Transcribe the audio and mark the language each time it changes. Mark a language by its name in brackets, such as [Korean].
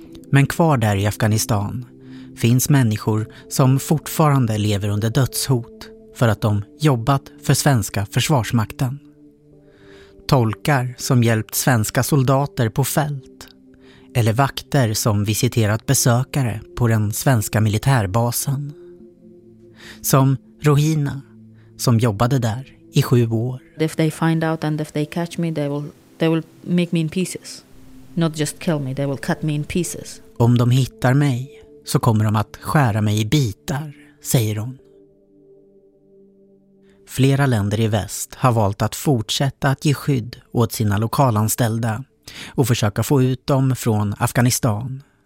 [Swedish] Men kvar där i Afghanistan finns människor som fortfarande lever under dödshot för att de jobbat för svenska försvarsmakten. Tolkar som hjälpt svenska soldater på fält eller vakter som visiterat besökare på den svenska militärbasen. Som Rohina som jobbade där i 7 år. [English] If they find out and if they catch me they will make me in pieces. Not just kill me, they will cut me in pieces. [Swedish] Om de hittar mig så kommer de att skära mig i bitar, säger hon. Flera länder i väst har valt att fortsätta att ge skydd åt sina lokalanställda och försöka få ut dem från Afghanistan.